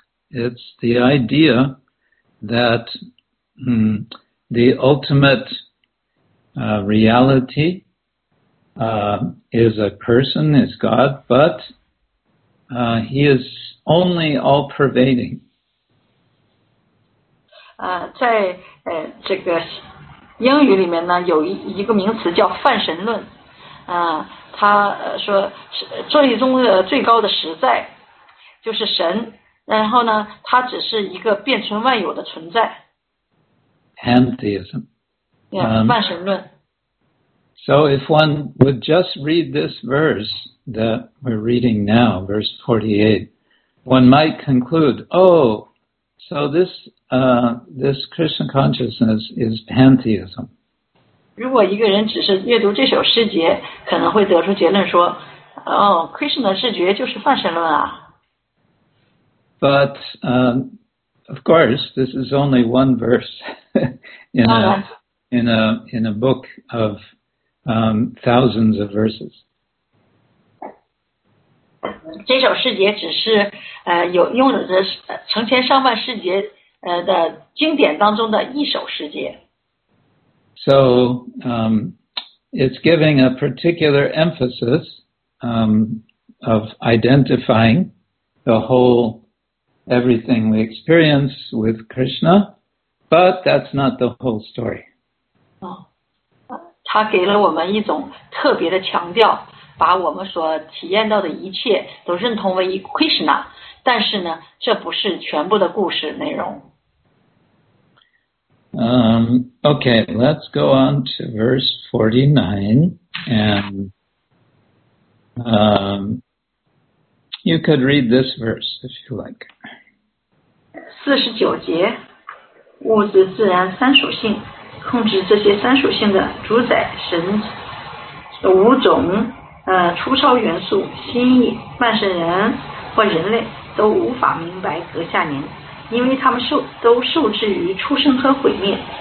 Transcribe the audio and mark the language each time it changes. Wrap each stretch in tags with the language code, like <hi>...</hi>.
<en>It's the idea that the ultimate reality is a person, is God, but he is only all-pervading.</en> <zh>在这个英语里面呢，有一个名词叫泛神论。他说这一中的最高的实在就是神，然后呢，他只是一个遍存万有的存在。</zh> <en>Pantheism. So if one would just read this verse that we're reading now, verse 48, one might conclude, oh, so this Krishna consciousness is pantheism.</en> <zh>如果一个人只是阅读这首诗节，可能会得出结论说，哦，Krishna 视觉就是泛神论啊。</zh> <en>But, of course, this is only one verse. in a book of thousands of verses.</en> <zh>这首诗节只是有用的是成千上万诗节的经典当中的一首诗节。</zh> <en>So it's giving a particular emphasis of identifying the whole everything we experience with Krishna. But that's not the whole story.</en> <zh>他给了我们一种特别的强调，把我们所体验到的一切都认同为 Krishna， 但是呢，这不是全部的故事内容。</zh> <en>Okay, let's go on to verse 49, and you could read this verse if you like.</en> <zh>49节。物质自然三属性，控制这些三属性的主宰神五种粗糙元素，心意半圣人或人类都无法明白阁下您，因为他们都受制于出生和毁灭。</zh>